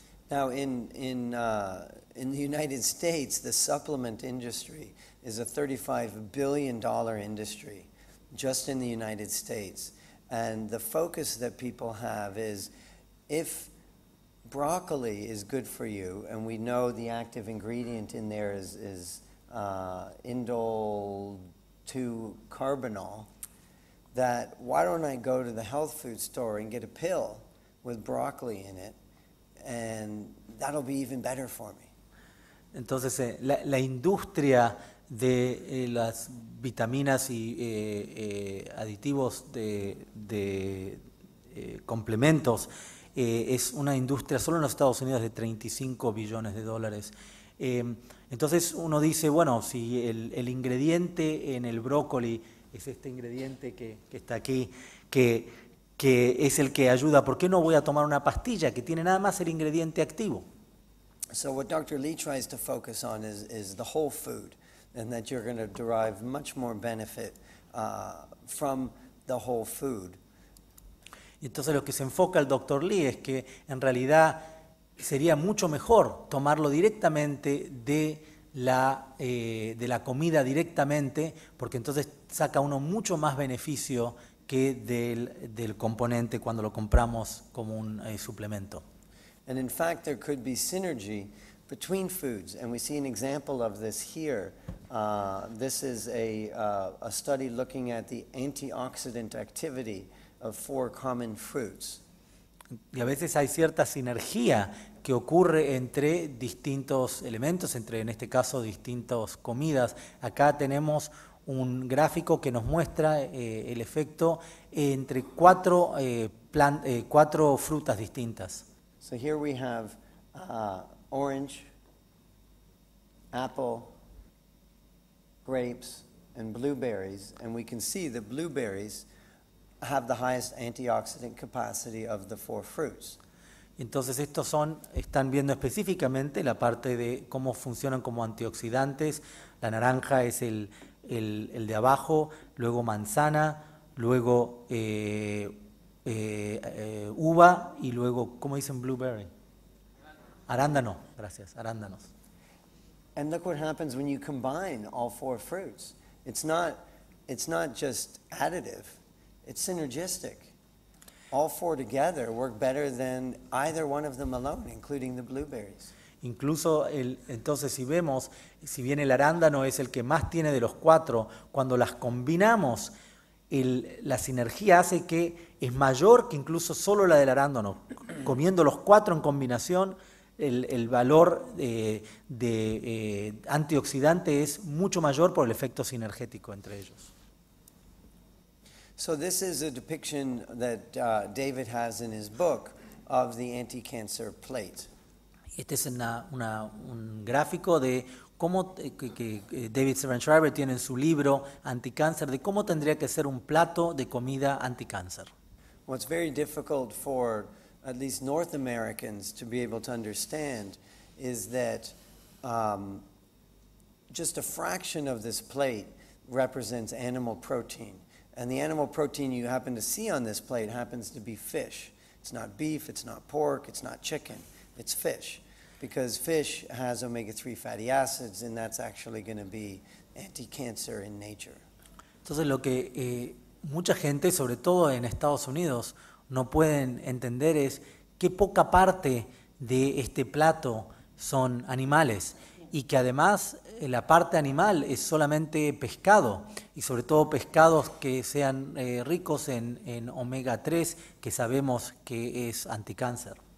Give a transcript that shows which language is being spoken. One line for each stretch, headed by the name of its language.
English: Now, in the United States, the supplement industry is a $35 billion industry just in the United States. And the focus that people have is, if broccoli is good for you, and we know the active ingredient in there is indole-2-carbinol, that why don't I go to the health food store and get a pill with broccoli in it, and that'll be even better for me.
Spanish: Entonces, la industria de las vitaminas y aditivos de complementos es una industria solo en los Estados Unidos de $35 billones. Entonces uno dice, bueno, si el ingrediente en el brócoli es este ingrediente que está aquí, que es el que ayuda, ¿por qué no voy a tomar una pastilla que tiene nada más el ingrediente activo?
English: So what Dr. Lee tries to focus on is the whole food, and that you're going to derive much more benefit from the whole food.
Spanish: Entonces lo que se enfoca el Dr. Lee es que en realidad sería mucho mejor tomarlo directamente de de la comida directamente, porque entonces saca uno mucho más beneficio que del componente cuando lo compramos como un suplemento.
English: And in fact, there could be synergy between foods, and we see an example of this here. This is a study looking at the antioxidant activity of four common fruits.
Spanish: Y a veces hay cierta sinergia que ocurre entre distintos elementos, entre en este caso distintas comidas. Acá tenemos un gráfico que nos muestra el efecto entre cuatro frutas distintas.
English: So here we have orange, apple, grapes, and blueberries, and we can see the blueberries have the highest antioxidant capacity of the four fruits.
Spanish: Entonces estos son, están viendo específicamente la parte de cómo funcionan como antioxidantes. La naranja es el de abajo, luego manzana, luego uva y luego, ¿cómo dicen blueberry? Arándano, gracias, arándanos.
English: And look what happens when you combine all four fruits. It's not just additive, it's synergistic. All four together work better than either one of them alone, including the blueberries.
Spanish: Incluso entonces si vemos, si bien el arándano es el que más tiene de los cuatro, cuando las combinamos, la sinergia hace que es mayor que incluso solo la del arándano. Comiendo los cuatro en combinación, el valor de antioxidante es mucho mayor por el efecto sinergético entre ellos.
English: So this is a depiction that David has in his book of the anti-cancer plate.
Spanish: Este es un gráfico de cómo que David Severn-Schreiber tiene en su libro Anticáncer, de cómo tendría que ser un plato de comida anticáncer.
English: What's very difficult for at least North Americans to be able to understand is that just a fraction of this plate represents animal protein. And the animal protein you happen to see on this plate happens to be fish. It's not beef, it's not pork, it's not chicken, it's fish. Because fish has omega-3 fatty acids, and that's actually going to be anti-cancer in nature.
Spanish: Entonces lo que mucha gente, sobre todo en Estados Unidos, no pueden entender es qué poca parte de este plato son animales. Y que además la parte animal es solamente pescado, y sobre todo pescados que sean ricos en omega-3, que sabemos que es anticáncer.